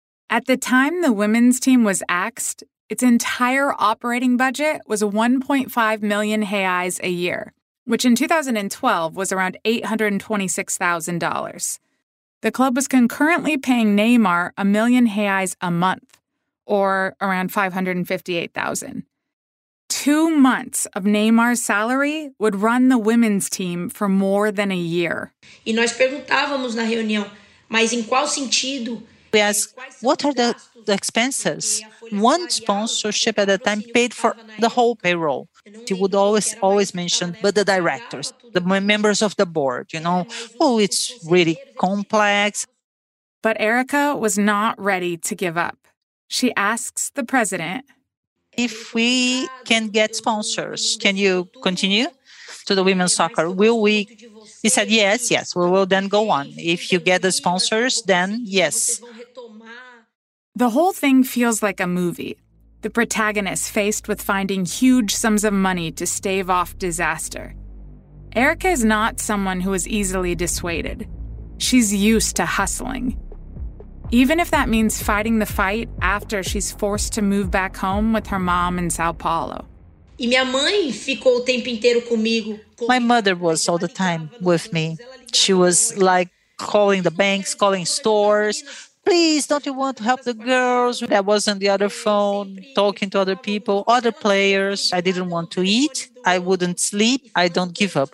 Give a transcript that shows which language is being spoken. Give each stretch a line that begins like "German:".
English: At the time the women's team was axed, its entire operating budget was 1.5 million reais a year, which in 2012 was around $826,000. The club was concurrently paying Neymar a million reais a month, or around $558,000. 2 months of Neymar's salary would run the women's team for more than a year.
Portuguese: E nós perguntávamos na reunião, mas em qual sentido?
English: We asked, what are the expenses? One sponsorship at a time paid for the whole payroll. She would always mention, but the directors, the members of the board, you know, oh, it's really complex. But Erica was not ready to give up. She asks the president, if we can get sponsors, can you continue to the women's soccer? Will we? He said, yes, we will then go on. If you get the sponsors, then yes. The whole thing feels like a movie. The protagonist faced with finding huge sums of money to stave off disaster. Erica is not someone who is easily dissuaded. She's used to hustling. Even if that means fighting the fight after she's forced to move back home with her mom in Sao Paulo.
Portuguese: E minha mãe ficou o tempo inteiro comigo.
English: My mother was all the time with me. She was like calling the banks, calling stores. Please, don't you want to help the girls? I was on the other phone, talking to other people, other players. I didn't want to eat. I wouldn't sleep. I don't give up.